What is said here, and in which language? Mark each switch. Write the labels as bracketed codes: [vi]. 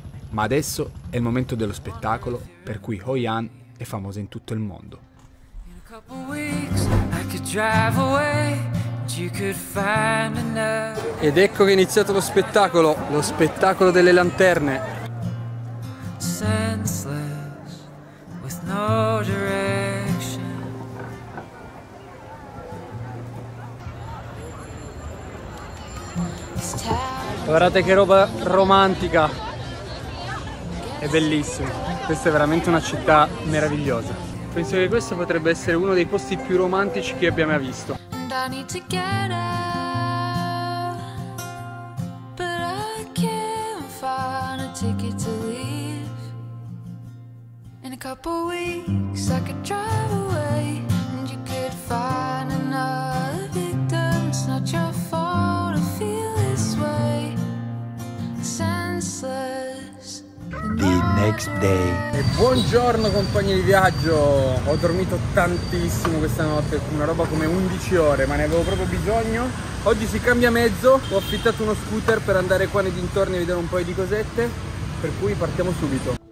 [it] Ma adesso è il momento dello spettacolo per cui Hoi An è famosa in tutto il mondo. [en] In a couple weeks I could drive away. [it] Ed ecco che è iniziato lo spettacolo delle lanterne. [en] Senseless, with no direction. [it] Guardate che roba romantica. È bellissimo. Questa è veramente una città meravigliosa. Penso che questo potrebbe essere uno dei posti più romantici che abbia mai visto. [en] I need to get out, but I can't find a ticket to leave. In a couple weeks I could drive away and you could find another victim. It's not your fault to feel this way. Senseless. The next day. [it] E buongiorno compagni di viaggio. Ho dormito tantissimo questa notte, una roba come 11 ore, ma ne avevo proprio bisogno. Oggi si cambia mezzo, ho affittato uno scooter per andare qua nei dintorni a vedere un paio di cosette, per cui partiamo subito.